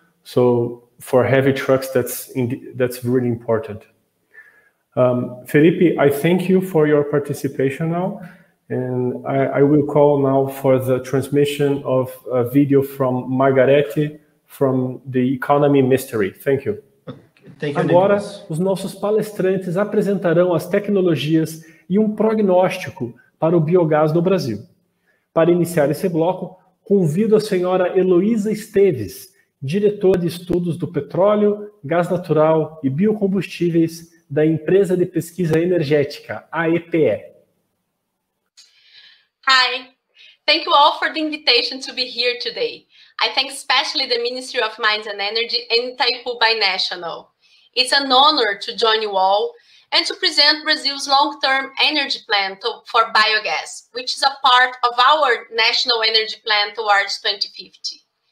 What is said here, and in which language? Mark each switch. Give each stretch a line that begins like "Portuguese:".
English: So for heavy trucks, that's really important. Felipe, I thank you for your participation now, and I will call now for the transmission of a video from Margarete from the Economy Mystery. Thank you. Okay. Thank you.
Portuguese: Agora, os nossos palestrantes apresentarão as tecnologias e um prognóstico para o biogás no Brasil. Para iniciar esse bloco, convido a senhora Heloísa Esteves, diretor de estudos do petróleo, gás natural e biocombustíveis da empresa de pesquisa energética, a EPE.
English: Hi, thank you all for the invitation to be here today. I thank especially the Ministry of Mines and Energy and Itaipu Binational. It's an honor to join you all and to present Brazil's long-term energy plan for biogas, which is a part of our national energy plan towards 2050.